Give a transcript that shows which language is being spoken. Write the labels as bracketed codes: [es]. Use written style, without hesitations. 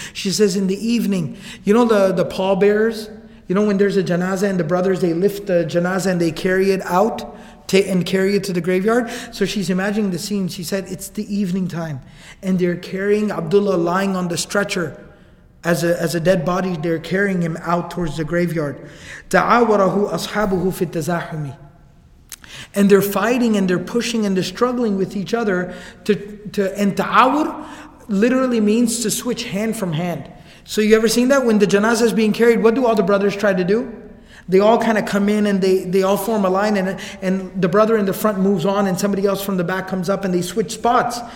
[en] She says in the evening, you know the pallbearers? You know when there's a janazah and the brothers, they lift the janazah and they carry it out and carry it to the graveyard? So she's imagining the scene. She said it's the evening time and they're carrying Abdullah lying on the stretcher. As a dead body, they're carrying him out towards the graveyard. [ar] تَعَاوَرَهُ أَصْحَابُهُ فِي التَّزَاحُمِ. [en] And they're fighting and they're pushing and they're struggling with each other. And ta'awur literally means to switch hand from hand. So you ever seen that? When the janazah is being carried, what do all the brothers try to do? They all kind of come in and they all form a line and the brother in the front moves on and somebody else from the back comes up and they switch spots.